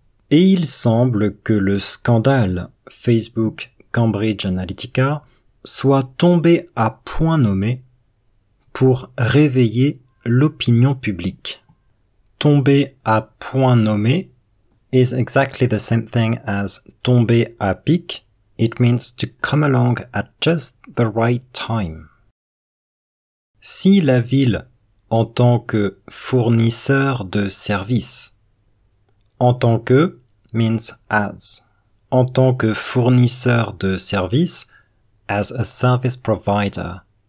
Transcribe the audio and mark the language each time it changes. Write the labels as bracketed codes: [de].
[fr] Et il semble que le scandale Facebook Cambridge Analytica soit tombé à point nommé pour réveiller l'opinion publique. Tombé à point nommé [en] is exactly the same thing as [fr] tombé à pic. [en] It means to come along at just the right time. [fr] Si la ville, en tant que fournisseur de services, en tant que [en] means as, [fr] en tant que fournisseur de services, [en] as a service provider,